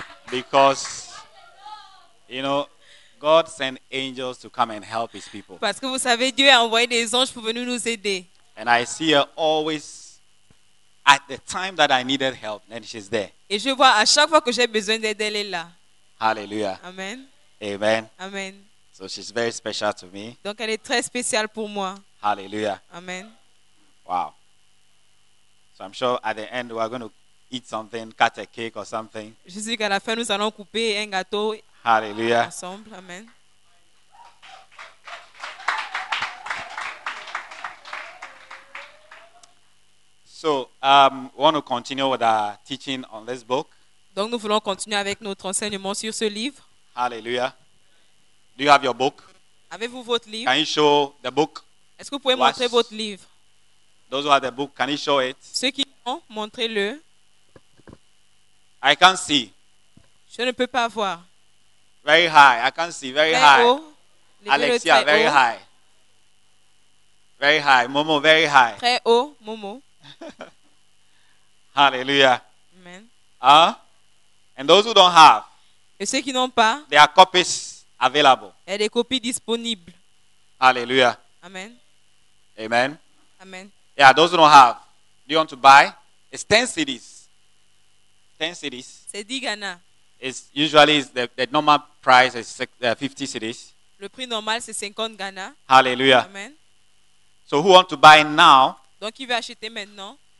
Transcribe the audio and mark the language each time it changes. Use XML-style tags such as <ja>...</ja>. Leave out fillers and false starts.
<en>Because, you know, God sent angels to come and help his people.</en> <fr>Parce que vous savez, Dieu a envoyé des anges pour venir nous aider.</fr> <en>And I see her always at the time that I needed help, and she's there.</en> <fr>Et je vois à chaque fois que j'ai besoin d'aide, elle est là. Hallelujah. Amen. Amen. Amen.</fr> <en>So she's very special to me.</en> <fr>Donc elle est très spéciale pour moi. Hallelujah. Amen. Wow.</fr> <en>So I'm sure at the end we are going to eat something, cut a cake or something.</en> <fr>Je suis qu'à la fin nous allons couper un gâteau. Hallelujah. Ensemble. Amen.</fr> <en>So, we want to continue with our teaching on this book.</en> <fr>Donc, nous voulons continuer avec notre enseignement sur ce livre.</fr> <en>Hallelujah. Do you have your book?</en> <fr>Avez-vous votre livre?</fr> <en>Can you show the book?</en> <fr>Est-ce que vous pouvez montrer votre livre?</fr> <en>Those who have the book, can you show it?</en> <fr>Ceux qui l'ont, montrez-le.</fr> <en>I can't see.</en> <fr>Je ne peux pas voir.</fr> <en>Very high. I can't see. Very high.</en> <fr>Haut.</fr> <en>Alexia, very</en> <fr>haut.</fr> <en>High. Very high. Momo, very high.</en> <fr>Très haut, Momo. Hallelujah. Amen.</fr> <en>And those who don't have,</en> <fr>et ceux qui n'ont pas,</fr> <en>there are copies available.</en> <fr>Il y a des copies disponibles. Hallelujah. Amen. Amen. Amen.</fr> <en>Yeah, those who don't have, do you want to buy? It's 10 cedis. 10 cedis.</en> <fr>C'est 10 Ghana.</fr> <en>It's usually the normal price is 50 cedis.</en> <fr>Le prix normal c'est 50 Ghana. Hallelujah. Amen.</fr> <en>So who want to buy now?</en> <fr>Donc qui veut acheter maintenant?</fr>